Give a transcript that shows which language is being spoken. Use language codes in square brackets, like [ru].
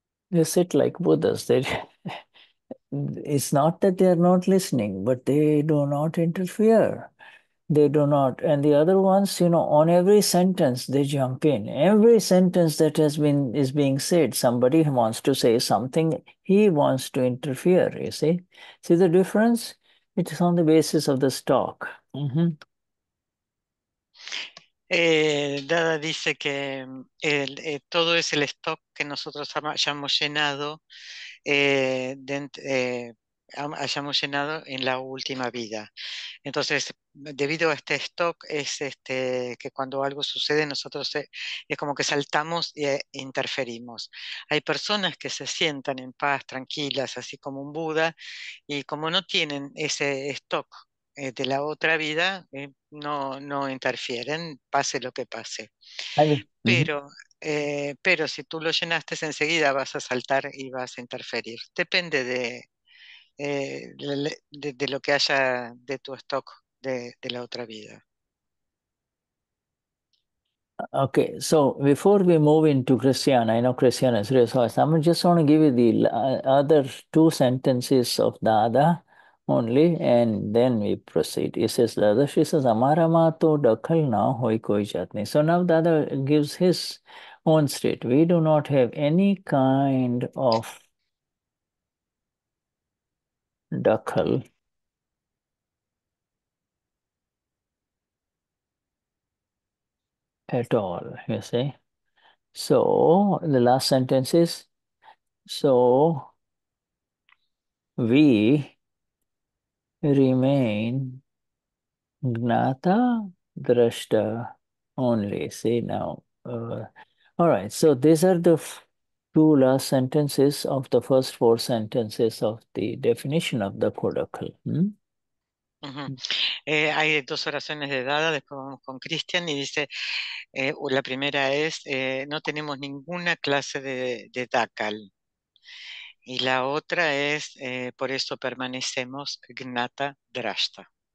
[en] They sit like Buddhas. It's not that they are not listening, but they do not interfere. They do not. And the other ones, you know, on every sentence, they jump in. Every sentence that is being said, somebody wants to say something, he wants to interfere, you see. See the difference? It is on the basis of the stock. [es] Dada dice que todo es el stock que nosotros hayamos llenado, hayamos llenado en la última vida. Entonces, debido a este stock, es que cuando algo sucede, nosotros es como que saltamos e interferimos. Hay personas que se sientan en paz, tranquilas, así como un Buda, y como no tienen ese stock de la otra vida, no interfieren, pase lo que pase. Pero si tú lo llenaste, enseguida vas a saltar y vas a interferir. Depende de lo que haya de tu stock de la otra vida. [en] Okay, so before we move into Christiane, I know Christiane is resourced. I'm just want to give you the other two sentences of Dada only, and then we proceed. He says, Dada, she says, [gu] Amara ma to dakhal na hoi koi jatni. [en] So now Dada gives his own state. We do not have any kind of dakhal. At all, you see. So the last sentence is, so we remain Gnata Drashta only. See now. All right, so these are the two last sentences of the first four sentences of the definition of the codical. [es] Hay dos oraciones de Dada, después vamos con Cristian, y dice, la primera es, no tenemos ninguna clase de dakal, y la otra es, por eso permanecemos Gnata Drashta.